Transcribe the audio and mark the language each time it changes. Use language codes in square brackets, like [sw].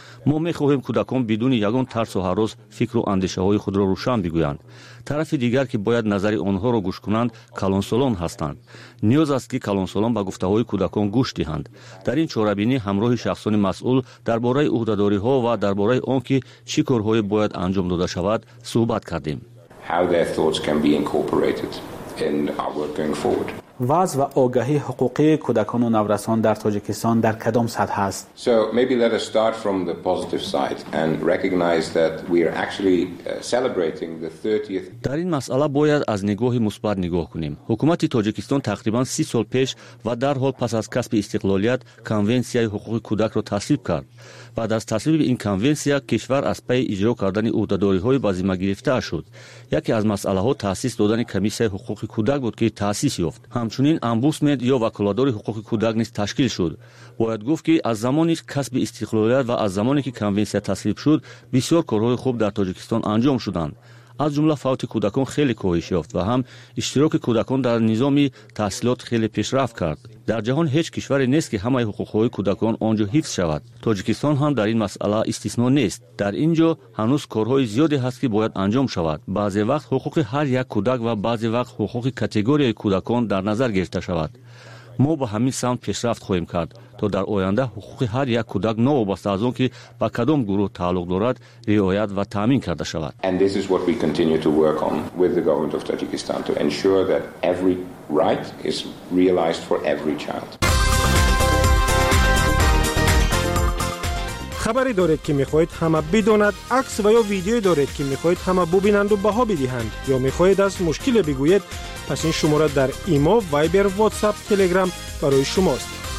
[fa] ما میخواهیم کودکان بدون یگان ترس و هراس فکر و اندیشه های خود را روشن بگویند. طرف دیگر که باید نظر آنها را گوش کنند کلانسولان هستند. نیاز است که کلانسولان به گفته های کودکان گوش دهند. در این چهارابینی همراه شخصان مسئول درباره عهده‌داری ها و درباره آن که چه کارهایی باید انجام داده شود صحبت کردیم. [en] How their thoughts can be incorporated in our work going forward. [fa] وضع و آگاهی حقوقی کودکان و نورسان در تاجیکستان در کدام سطح است؟ [en] So maybe let us start from the positive side and recognize that we are actually celebrating the 30th. [fa] در این مسئله باید از نگاه مثبت نگاه کنیم. حکومت تاجیکستان تقریبا 30 سال پیش و در حال پس از کسب استقلالیت کنونسیای حقوق کودک را تصویب کرد. بعد از تصویب این کنونسیا کشور از پی اجرا کردن عهده‌داری های به ذمه گرفته شد. یکی از مسئله ها تاسیس دادن کمیسیای حقوق کودک بود که تاسیس یافت. همچنین امبوسمند یا وکالادار حقوق کودک نیز تشکیل شد. باید گفت که از زمانی کسب استقلالیت و از زمانی که کنونسیا تصویب شد بسیار کارهای خوب در تاجیکستان انجام شدند. از جمله فوت کودکان خیلی کاهش یافت و هم اشتراک کودکان در نظام تحصیلات خیلی پیشرفت کرد. در جهان هیچ کشوری نیست که همه حقوق های کودکان آنجا حفظ شود. تاجیکستان هم در این مسئله استثنا نیست. در اینجا هنوز کارهای زیادی هست که باید انجام شود. بعضی وقت حقوق هر یک کودک و بعضی وقت حقوق کاتگوری کودکان در نظر گرفته شود. ما به همین سمت پیشرفت خواهیم کرد تا در آینده حقوق هر یک کودک نوابسته از اون که به کدام گروه تعلق دارد رعایت و تامین کرده شود. [en] And this is what we continue to work on with the government of Tajikistan to ensure that every right is realized for every child. [fa] خبری دارید که میخواهید همه بدانند؟ عکس و یا ویدیو دارید که میخواهید همه ببینند و بها بدهند؟ یا میخواهید از مشکل بگویید؟ پس این شماره در ایمو، وایبر، واتساپ، تلگرام برای شماست.